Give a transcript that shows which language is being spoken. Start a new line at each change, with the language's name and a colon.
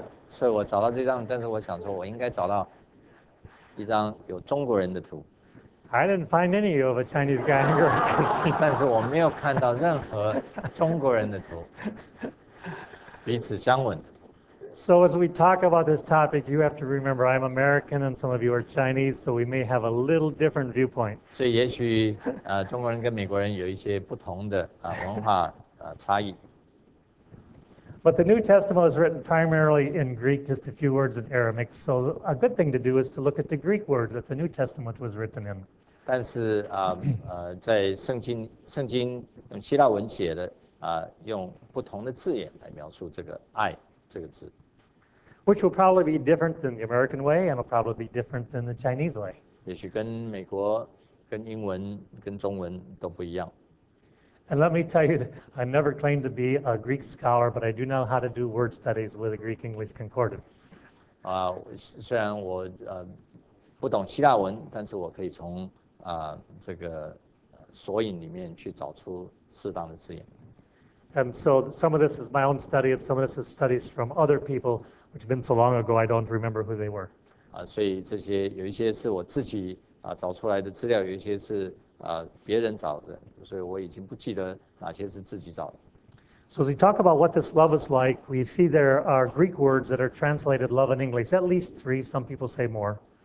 Chinese: 所以我找到这张，但是我想说我应该找到一张有中国人的图。
English: I didn't find any of a Chinese guy and girl kissing.
Chinese: 但是我没有看到任何中国人的图，彼此相吻的图。
English: So as we talk about this topic, you have to remember I'm American and some of you are Chinese, so we may have a little different viewpoint.
Chinese: 所以也许中国人跟美国人有一些不同的文化差异。
English: But the New Testament is written primarily in Greek, just a few words in Aramaic. So a good thing to do is to look at the Greek words that the New Testament was written in.
Chinese: 但是在圣经用希腊文写的用不同的字眼来描述这个爱。这个字
English: which will probably be different than the American way, and will probably be different than the Chinese way.
Chinese: 也许跟美国跟英文跟中文都不一样。
English: And let me tell you, I never claimed to be a Greek scholar, but I do know how to do word studies with a Greek-English concordance.
Chinese: 虽然我不懂希腊文，但是我可以从这个索引里面去找出适当的字眼。
English: And so some of this is my own study, and some of this is studies from other people, which have been so long ago I don't remember who they were.
Chinese: 所以这些有一些是我自己找出来的资料，有一些是别人找的，所以我已经不记得哪些是自己找的。
English: So as we talk about what this love is like, we see there are Greek words that are translated love in English, at least three, some people say more.